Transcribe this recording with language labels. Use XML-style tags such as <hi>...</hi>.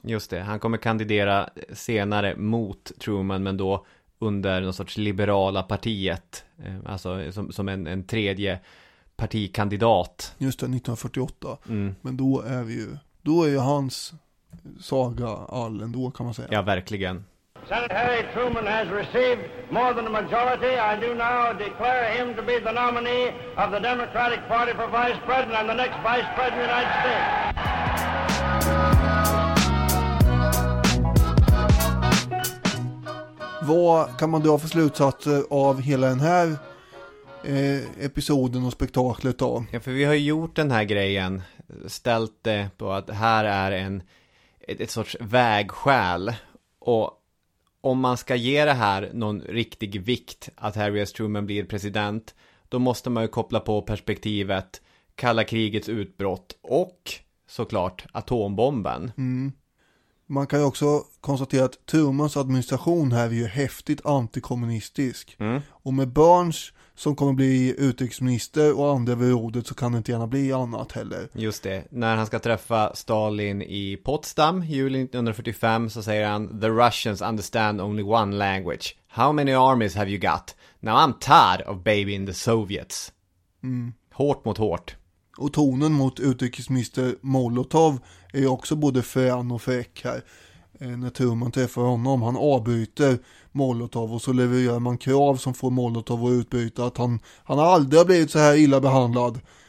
<sv>Just det, han kommer kandidera senare mot Truman men då under någon sorts liberala partiet. Alltså som en tredje partikandidat. Just det, 1948. Mm. Men då är vi ju, då är ju hans saga all ändå kan man säga. Ja, verkligen.</sv> <en>Senator Harry Truman has received more than a majority. I do now declare him to be the nominee of the Democratic Party for Vice President and the next Vice President of the United States.</en> <sv>Vad kan man dra för slutsatser av hela den här episoden och spektaklet då? Ja, för vi har gjort den här grejen, ställt det på att här är en ett sorts vägskäl och om man ska ge det här någon riktig vikt att Harry S. Truman blir president, då måste man ju koppla på perspektivet kalla krigets utbrott och såklart atombomben. Mm. Man kan ju också konstatera att Trumans administration här är ju häftigt antikommunistisk. Mm. Och med Burns som kommer bli utrikesminister och andra vid rådet så kan det inte gärna bli annat heller. Just det. När han ska träffa Stalin i Potsdam juli 1945 så säger han:</sv> <en>"The Russians understand only one language. How many armies have you got? Now I'm tired of babying the Soviets."</en> <sv>Mm. Hårt mot hårt. Och tonen mot utrikesminister Molotov är också både frän och fräck här. När Truman träffar honom, han avbryter Molotov och så levererar man krav som får Molotov att utbryta att han aldrig har blivit så här illa behandlad.</sv>